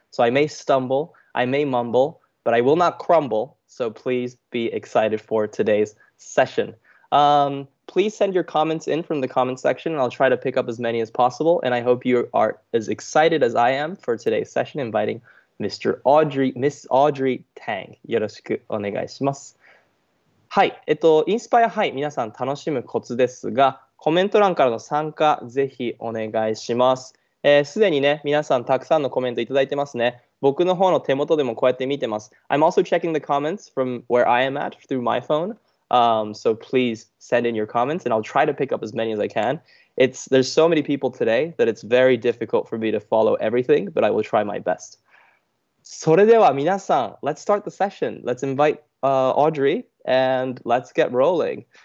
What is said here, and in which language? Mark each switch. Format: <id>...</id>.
<en>So I may stumble, I may mumble, but I will not crumble. So please be excited for today's session. Please send your comments in from the comment section and I'll try to pick up as many as possible. And I hope you are as excited as I am for today's session inviting Miss Audrey Tang.</en> <ja>よろしくお願いします。はい、Inspire High 皆さん楽しむコツですが、コメント欄からの参加ぜひお願いします。すでにね、皆さんたくさんのコメントいただいてますね。僕の方の手元でもこうやって見てます。</ja> <en>I'm also checking the comments from where I am at through my phone. So please send in your comments and I'll try to pick up as many as I can. There's so many people today that it's very difficult for me to follow everything, but I will try my best.</en> <ja>それでは皆さん、</ja> <en>let's start the session. Let's invite Audrey and let's get rolling.</en>